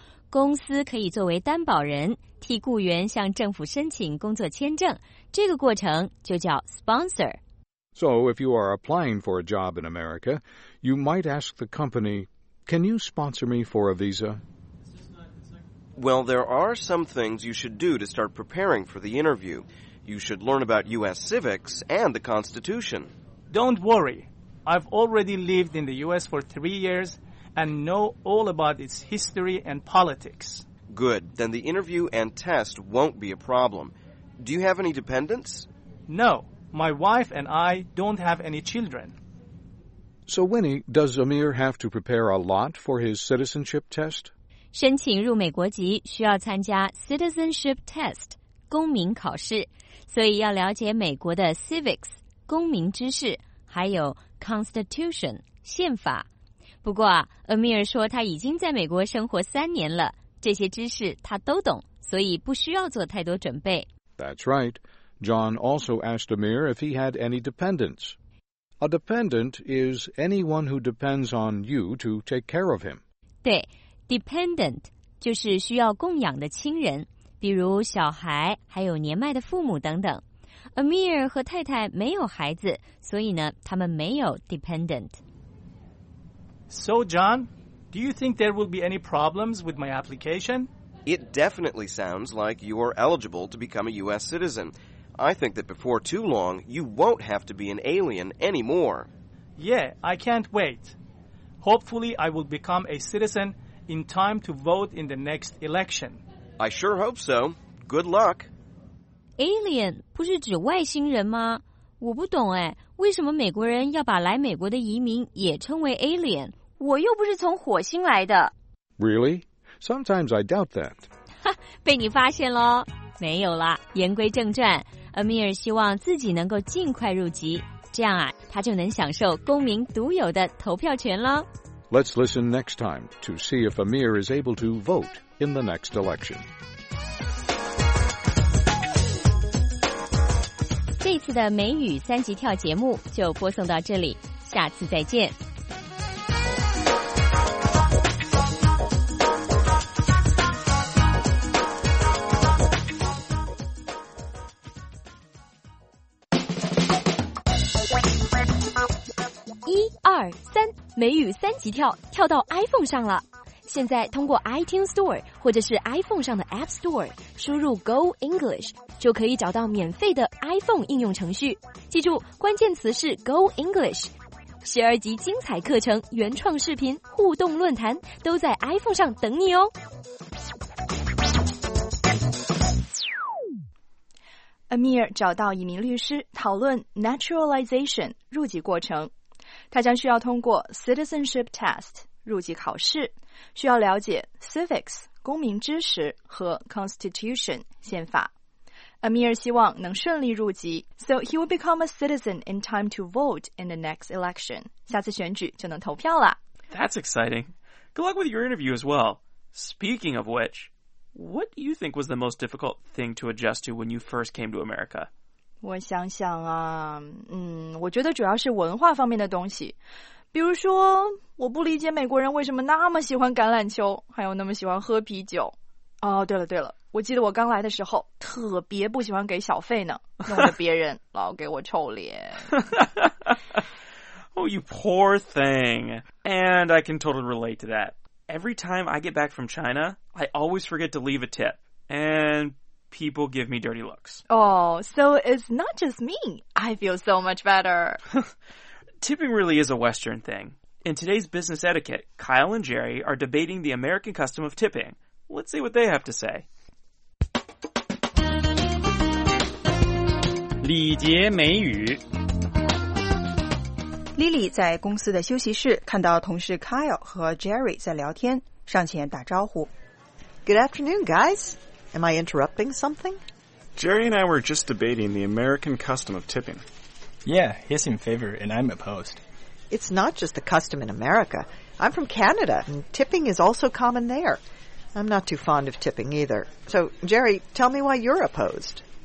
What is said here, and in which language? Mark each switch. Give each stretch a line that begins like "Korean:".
Chinese: 公司可以作为担保人，替雇员向政府申请工作签证，这个过程就叫 sponsor.
English: So, if you are applying for a job in America, you might ask the company, can you sponsor me for a visa? Well, there are some things you should do to start preparing for the interview. You should learn about U.S. civics and the Constitution. Don't worry. I've already lived in the U.S. for 3 years and know all about its history and politics. Good. Then the interview and test won't be a problem. Do you have any dependents? No. My wife and I don't have any children. So, Winnie, does Amir have to prepare a lot for his citizenship test?
Chinese: 申请入美国籍需要参加 citizenship test, 公民考试，所以要了解美国的 civics, 公民知识，还有 constitution, 宪法。不过啊 ,Amir 说他已经在美国生活3年了，这些知识他都懂，所以不需要做太多准备。
English: That's right. John also asked Amir if he had any dependents. A dependent is anyone who depends on you to take care of him.
Chinese: 对。 Dependent 就是需要供养的亲人，比如小孩，还有年迈的父母等等。 Amir 和太太没有孩子，所以呢，他们没有 dependent。
English: So, John, do you think there will be any problems with my application? It definitely sounds like you are eligible to become a U.S. citizen. I think that before too long, you won't have to be an alien anymore. Yeah, I can't wait. Hopefully, I will become a citizen. In time to vote in the next election. I sure hope so. Good luck.
Chinese: Alien 不是指外星人吗？我不懂哎，为什么美国人要把来美国的移民也称为 alien？我又不是从火星来的。
English: Really? Sometimes I doubt that.
Chinese: 哈，被你发现了。没有啦，言归正传。 Amir 希望自己能够尽快入籍，这样啊，他就能享受公民独有的投票权了。
English: Let's listen next time to see if Amir is able to vote in the next election.
Chinese: 这次的美语三级跳节目就播送到这里，下次再见。二三，美语三级跳，跳到 iPhone 上了。现在通过 iTunes Store 或者是 iPhone 上的 App Store 输入 Go English， 就可以找到免费的 iPhone 应用程序。记住，关键词是 Go English。12级精彩课程、原创视频、互动论坛都在 iPhone 上等你哦。 Amir 找到一名律师讨论 naturalization 入籍过程。他将需要通过 citizenship test 入籍考试，需要了解 civics 公民知识和 constitution 宪法。
English: Amir
Chinese: 希望能顺利入籍
English: ，so he will become a citizen in time to vote in the next election.
Chinese: 下次选举就能投票了。
English: That's exciting. Good luck with your interview as well. Speaking of which, what do you think was the most difficult thing to adjust to when you first came to America?
Chinese: 我想想啊，我觉得主要是文化方面的东西。比如说，我不理解美国人为什么那么喜欢橄榄球，还有那么喜欢喝啤酒。哦，对了对了。我记得我刚来的时候特别不喜欢给小费呢，弄得别人老给我臭脸。
English: Oh, you poor thing. And I can totally relate to that. Every time I get back from China, I always forget to leave a tip. And people give me dirty looks. Oh, so it's not just me. I feel so much better. Tipping really is a Western thing. In today's business etiquette, Kyle and Jerry are debating the American custom of tipping. Let's see what they have to say.
Chinese: 礼节美语。 Lily 在公司的休息室看到同事 Kyle 和 Jerry 在聊天，上前打招呼。
English: Good afternoon, guys. Am I interrupting something? Jerry and I were just debating the American custom of tipping. Yeah, he's in favor and I'm opposed. It's not just the custom in America. I'm from Canada and tipping is also common there. I'm not too fond of tipping either. So, Jerry, tell me why you're opposed.